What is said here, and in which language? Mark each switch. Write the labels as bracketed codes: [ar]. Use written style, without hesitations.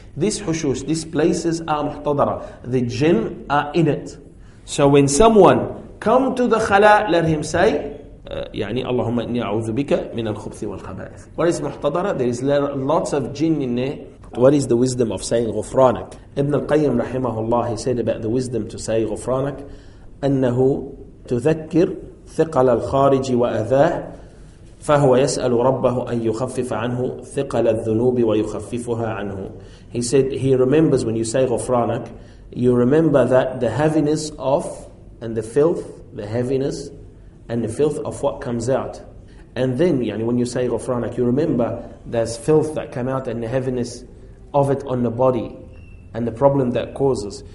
[en] This hushush, these places are muhtadara. The jinn are in it. So when someone come to the khala', let him say, يعني [ar] اللهم إني أعوذ بك من الخبث والخبائث. [en] What is محتضرة? There is lots of jinn in there. What is the wisdom of saying غفرانك? [ar] Ibn al-Qayyim رحمه الله, [en] he said about the wisdom to say [ar] غفرانك أنه تذكر ثقل الخارج وأذاه فهو يسأل ربه أن يخفف عنه ثقل الذنوب ويخففها عنه. [en] He said he remembers when you say غفرانك, you remember that the heaviness of and the filth, the heaviness and the filth of what comes out. And then, yani, when you say غفرانك, you remember there's filth that come out and the heaviness of it on the body and the problem that causes.